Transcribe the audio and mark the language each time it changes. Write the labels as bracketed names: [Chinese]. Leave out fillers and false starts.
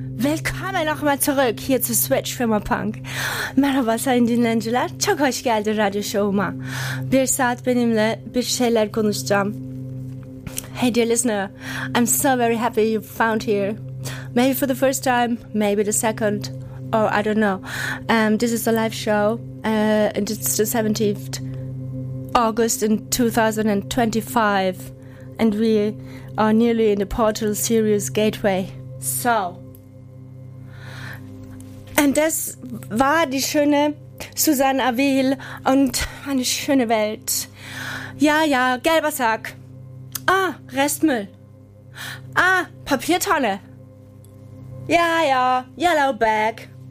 [German] Willkommen nochmal zurück hier zu Switch Firma Punk. [Turkish] Merhaba Sayın dinleyiciler. Çok hoş geldin radyo şovuma. Bir saat benimle bir şeyler konuşacağım. [English] Hey dear listener, I'm so very happy you found here. Maybe for the first time, maybe the second, or I don't know. This is a live show and it's the 17th August in 2025. And we are nearly in the Portal Sirius Gateway. So. [German] Und das war die schöne Suzanne Avil und eine schöne Welt. Ja, ja, gelber Sack. Ah, Restmüll. Ah, Papiertonne. Ja, ja, [English] yellow bag.